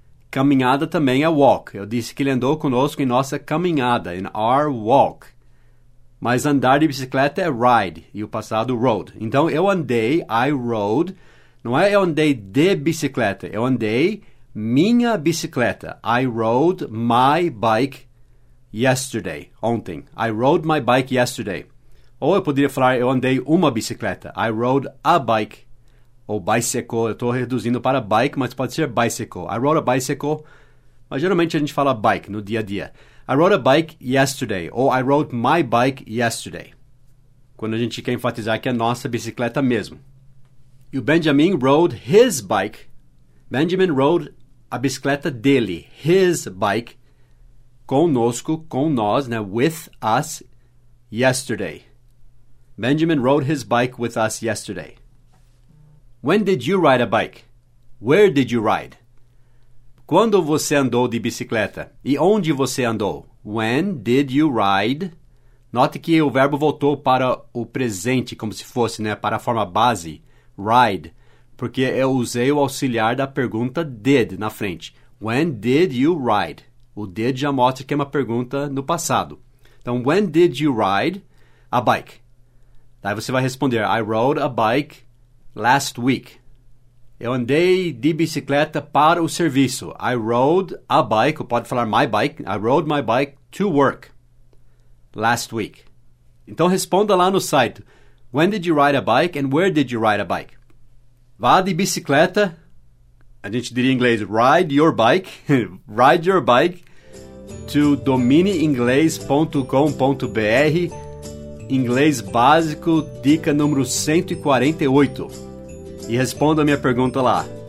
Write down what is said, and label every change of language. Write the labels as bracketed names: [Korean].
[Portuguese] Caminhada também é walk. Eu disse que ele andou conosco em nossa caminhada, [English] in our walk. [Portuguese] Mas andar de bicicleta é ride, e o passado, rode. Então, eu andei, [English] I rode. [Portuguese] Não é eu andei de bicicleta, eu andei minha bicicleta. [English] I rode my bike yesterday, ontem. I rode my bike yesterday. [Portuguese] Ou eu poderia falar eu andei uma bicicleta. [English] I rode a bike, [Portuguese] ou bicycle. Eu estou reduzindo para bike, mas pode ser bicycle. [English] I rode a bicycle, [Portuguese] mas geralmente a gente fala bike no dia a dia. [English] I rode a bike yesterday, ou I rode my bike yesterday. [Portuguese] Quando a gente quer enfatizar que é nossa bicicleta mesmo. [English] E o Benjamin rode his bike. [Portuguese] Benjamin rode a bicicleta dele, [English] his bike, [Portuguese] conosco, com nós, né? [English] With us, yesterday. Benjamin rode his bike with us yesterday. When did you ride a bike? Where did you ride? [Portuguese] Quando você andou de bicicleta? E onde você andou? [English] When did you ride? [Portuguese] Note que o verbo voltou para o presente, como se fosse, né? Para a forma base. Ride, porque eu usei o auxiliar da pergunta did na frente. [English] When did you ride? [Portuguese] O did já mostra que é uma pergunta no passado. [English] Então, when did you ride a bike? [Portuguese] Daí você vai responder, [English] I rode a bike last week. [Portuguese] Eu andei de bicicleta para o serviço. [English] I rode a bike, [Portuguese] ou pode falar my bike. [English] I rode my bike to work last week. [Portuguese] Então, responda lá no site. [English] When did you ride a bike and where did you ride a bike? [Portuguese] Vá de bicicleta. A gente diria em inglês, [English] ride your bike. Ride your bike to dominiinglês.com.br. [Portuguese] Inglês básico, dica número 148. E responda a minha pergunta lá.